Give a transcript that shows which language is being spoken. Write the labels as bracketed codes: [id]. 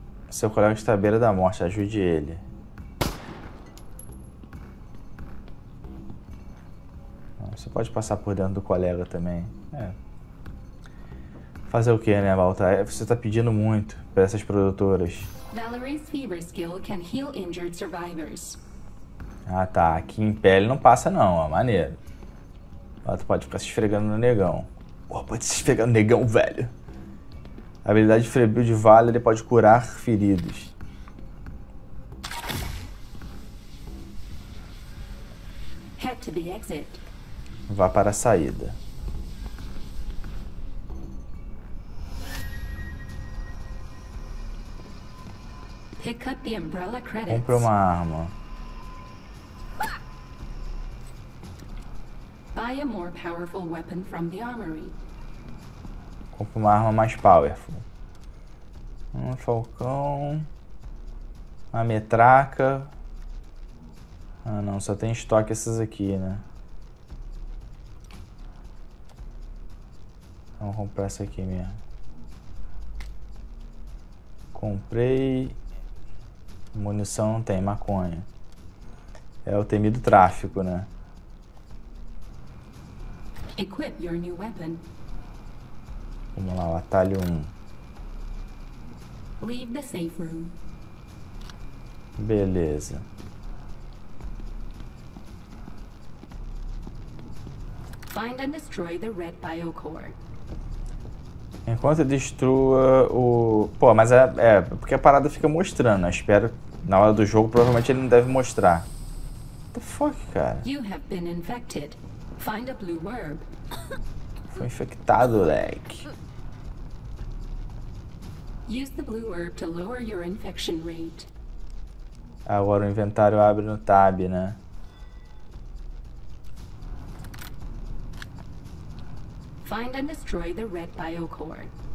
[pt] Seu colega está à beira da morte, ajude ele. Você pode passar por dentro do colega também. É. Fazer o que, né, Balta? Você está pedindo muito para essas produtoras. [en] Valerie's fever skill can heal injured survivors. [pt] Ah, tá. Aqui em pele não passa, não. Ó, maneiro. Balta pode ficar se esfregando no negão. Pô, pode se esfregar no negão, velho. A habilidade de frebril de Valerie pode curar feridos. [en] Head to the exit. [pt] Vá para a saída. [en] Pick up the umbrella credits. [pt] Compre uma arma. [en] Buy a more powerful weapon from the armory. [pt] Compre uma arma mais powerful. Um falcão. Uma metraca. Ah não, só tem estoque essas aqui, né? Vamos comprar essa aqui mesmo. Comprei. Munição não tem, maconha. É o temido tráfico, né? [en] Equip your new weapon. [pt] Vamos lá, o atalho 1. [en] Leave the safe room. [pt] Beleza. [en] Find and destroy the red biocore. [pt] Enquanto eu destrua o... Pô, mas é porque a parada fica mostrando. Eu espero, na hora do jogo, provavelmente ele não deve mostrar. [en] What the fuck, cara? You have been infected. Find a blue orb. [pt] Foi infectado, leg. [en] Use the blue herb to lower your infection rate. [pt] Agora o inventário abre no tab, né? [en] Find and destroy the red biocore.